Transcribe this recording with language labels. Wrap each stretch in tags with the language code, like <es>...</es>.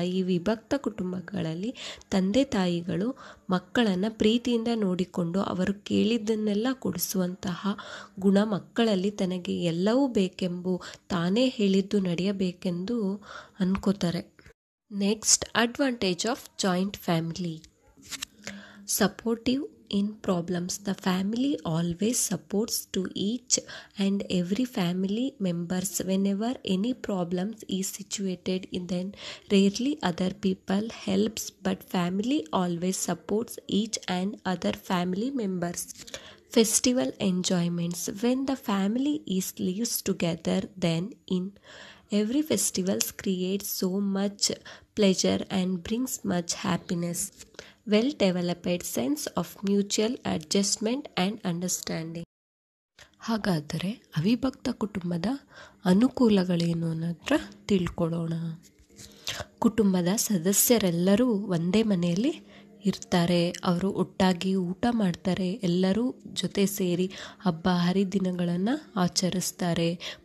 <kn>ಈ ವಿಭಕ್ತ ಕುಟುಂಬಗಳಲ್ಲಿ ತಂದೆ ತಾಯಿಗಳು ಮಕ್ಕಳನ್ನು ಪ್ರೀತಿಯಿಂದ ನೋಡಿಕೊಂಡು ಅವರು ಕೇಳಿದ್ದನ್ನೆಲ್ಲ ಕೊಡಿಸುವಂತಹ ಗುಣ ಮಕ್ಕಳಲ್ಲಿ ತನಗೆ ಎಲ್ಲವೂ ಬೇಕೆಂಬು ತಾನೇ ಹೇಳಿದ್ದು ನಡೆಯಬೇಕೆಂದು ಅನ್ಕೋತಾರೆ.</kn> <en>Next advantage of joint family. Supportive In problems, the family always supports to each and every family members whenever any problems is situated. Then rarely other people helps, but family always supports each and other family members. Festival enjoyments. When the family is lives together, then in every festivals creates so much pleasure and brings much happiness. Well-developed sense of mutual adjustment and understanding.</en> <kn>ಹಾಗಾದರೆ ಅವಿಭಕ್ತ ಕುಟುಂಬದ ಅನುಕೂಲಗಳೇನು ಅನ್ನೋದ್ರ ತಿಳ್ಕೊಳ್ಳೋಣ. ಕುಟುಂಬದ ಸದಸ್ಯರೆಲ್ಲರೂ ಒಂದೇ ಮನೆಯಲ್ಲಿ ಇರ್ತಾರೆ, ಅವರು ಒಟ್ಟಾಗಿ ಊಟ ಮಾಡ್ತಾರೆ, ಎಲ್ಲರೂ ಜೊತೆ ಸೇರಿ ಹಬ್ಬ ಹರಿದಿನಗಳನ್ನು ಆಚರಿಸ್ತಾರೆ.</kn>